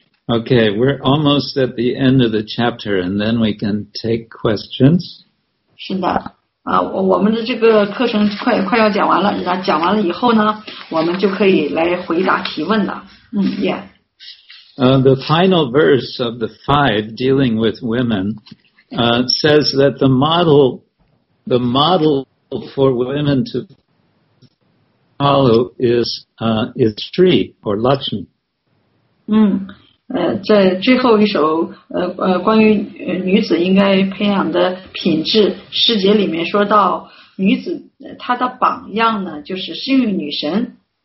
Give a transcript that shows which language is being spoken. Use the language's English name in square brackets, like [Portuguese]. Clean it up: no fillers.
[English] Okay, we're almost at the end of the chapter, and then we can take questions. [Chinese] 是的，我们的这个课程快要讲完了，讲完了以后呢，我们就可以来回答提问了。 [English] The final verse of the five dealing with women says that the model for women to follow is Sri or Lakshmi. [Chinese] 在最后一首关于女子应该培养的品质诗节里面说到女子她的榜样呢就是幸运女神。